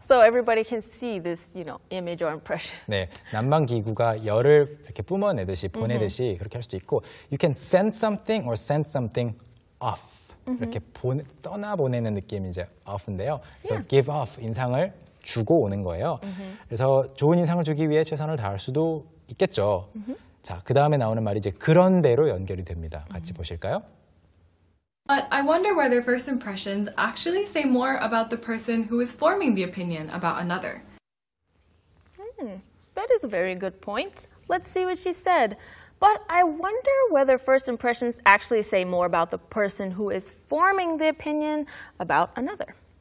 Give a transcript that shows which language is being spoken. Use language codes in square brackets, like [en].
[en] So everybody can see this, you know, image or impression. [ko] 네, 난방 기구가 열을 이렇게 뿜어내듯이 보내듯이 mm-hmm. 그렇게 할 수도 있고, [en] you can send something or send something off. [ko] 이렇게 떠나보내는 느낌이 이제 off인데요. [en] So yeah. [ko] give off, 인상을 주고 오는 거예요. Mm-hmm. 그래서 좋은 인상을 주기 위해 최선을 다할 수도 있겠죠. Mm-hmm. 자, 그 다음에 나오는 말이 이제 그런대로 연결이 됩니다. 같이 mm-hmm. 보실까요? [en] But I wonder whether first impressions actually say more about the person who is forming the opinion about another. That is a very good point. Let's see what she said. But I wonder whether first impressions actually say more about the person who is forming the opinion about another.